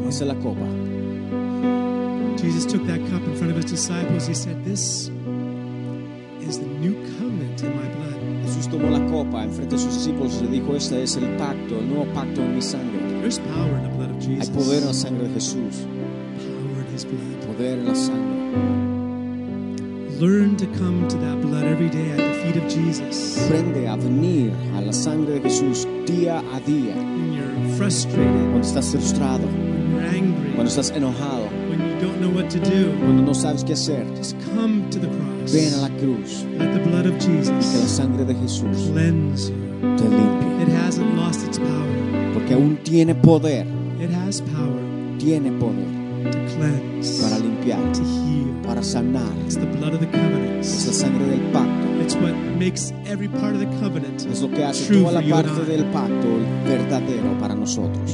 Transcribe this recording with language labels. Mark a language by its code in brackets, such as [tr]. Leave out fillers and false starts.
[en] Jesus took that cup in front of his disciples. He said, "This is the new covenant in my blood." [es] Jesús tomó la copa en frente de sus discípulos y dijo, "Este es el nuevo pacto en mi sangre." [en] There's power in the blood of Jesus. [es] Hay poder en la sangre de Jesús. [en] Power in his blood. [es] Poder en la sangre. [en] Learn to come to that blood every day at the feet of Jesus. [es] Aprende a venir a la sangre de Jesús día a día. [en] When you're frustrated. [es] Cuando estás frustrado. [en] Angry. [es] Cuando estás enojado. [en] When you don't know what to do. [es] Cuando no sabes qué hacer. [en] Just come to the cross. [es] Ven a la cruz. [en] Let the blood of Jesus. [es] Que la sangre de Jesús. [en] Cleanse you. [es] Te limpie. [en] It hasn't lost its power. [es] Porque aún tiene poder. [en] It has power. [es] Tiene poder. [en] To cleanse. [es] Para limpiar. [en] To heal. [es] Para sanar. [en] It's the blood of the covenant. [es] Es la sangre del pacto. [en] It's what makes every part of the covenant true for you and I. [es] Es lo que hace toda la parte del pacto verdadero para nosotros.